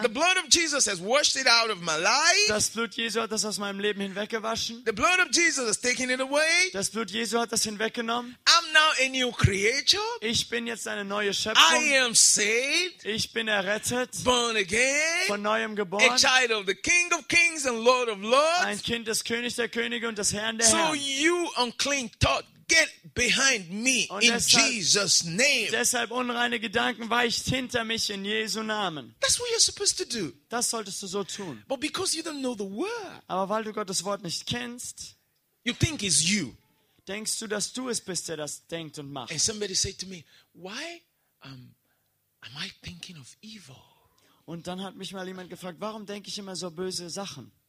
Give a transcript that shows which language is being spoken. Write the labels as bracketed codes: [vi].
[en] The blood of Jesus has washed it out of my life. [de] Das Blut Jesu hat das aus meinem Leben hinweggewaschen. [en] The blood of Jesus has taken it away. [de] Das Blut Jesu hat das hinweggenommen. genommen. [en] I'm now a new creature. [de] Ich bin jetzt eine neue Schöpfung. [en] I am saved. [de] Ich bin errettet. [en] Born again. [de] Von neuem geboren. [en] A child of the King of Kings and Lord of Lords. [de] Ein Kind des Königs der Könige und des Herrn der so Herren. [en] So you unclean thought, get behind me [de] und [en] in Jesus' name. [de] Deshalb unreine Gedanken, weicht hinter mich in Jesu Namen. [en] That's what you're supposed to do. [de] Das solltest du so tun. [en] But because you don't know the word. [de] Aber weil du Gottes Wort nicht kennst. [en] You think it's you. [de] Denkst du, dass du es bist, der das denkt und macht? [en] And somebody said to me, why am I thinking of evil? [de] Und dann hat mich mal jemand gefragt, warum denke ich immer so böse Sachen?